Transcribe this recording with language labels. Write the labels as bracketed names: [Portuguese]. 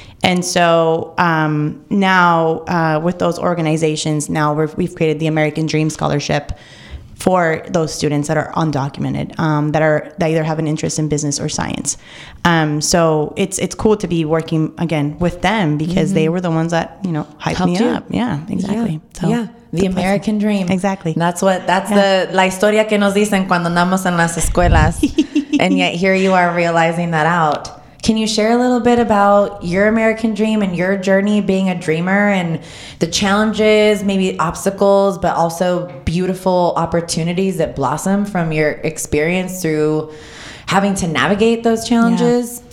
[English] And so now with those organizations, now we've created the American Dream Scholarship for those students that are undocumented, that are that either have an interest in business or science. So it's cool to be working again with them because mm-hmm. they were the ones that, you know, hyped helped me you. Up. Yeah, exactly. Yeah. So. Yeah. The American dream. Exactly. That's what, that's yeah. the, [Spanish] la historia que nos dicen cuando andamos en las escuelas. [English] And yet here you are realizing that out. Can you share a little bit about your American dream and your journey being a dreamer and the challenges, maybe obstacles, but also beautiful opportunities that blossom from your experience through having to navigate those challenges?